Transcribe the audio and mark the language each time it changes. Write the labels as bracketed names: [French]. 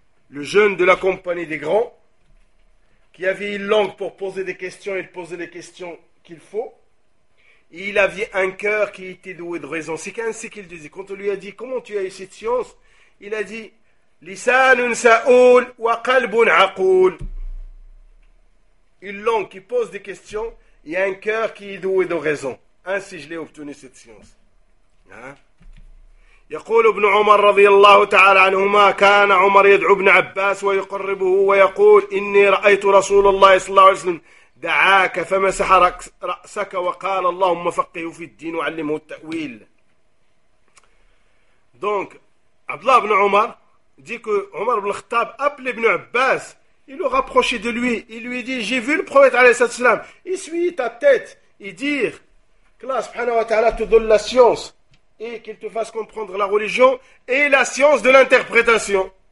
[French] Le jeune de la compagnie des grands, qui avait une langue pour poser des questions et de poser les questions qu'il faut, et il avait un cœur qui était doué de raison. C'est ainsi qu'il disait. Quand on lui a dit, comment tu as eu cette science? Il a dit, [Arabic] l'isan et sa'oul, ou al-qalb et l'aqoul. [French] Une langue qui pose des questions, et un cœur qui est doué de raison. Ainsi je l'ai obtenu cette science. [Arabic] يقول ابن عمر رضي الله تعالى عنهما كان عمر يدعو ابن عباس ويقربه ويقول إني رأيت رسول الله صلى الله عليه وسلم دعاك فمسح رأسك وقال اللهم فقهه في الدين وعلمه التأويل. [French] Donc Abdullah ibn Omar dit que Omar ibn Khattab appelle ibn Abbas, il le rapproche de lui, il lui dit j'ai vu le prophète [Arabic] عليه الصلاة والسلام, [French] il suit ta tête et dire [Arabic] Allah subhanahu wa ta'ala [French] te donne la science et qu'il te fasse comprendre la religion et la science de l'interprétation.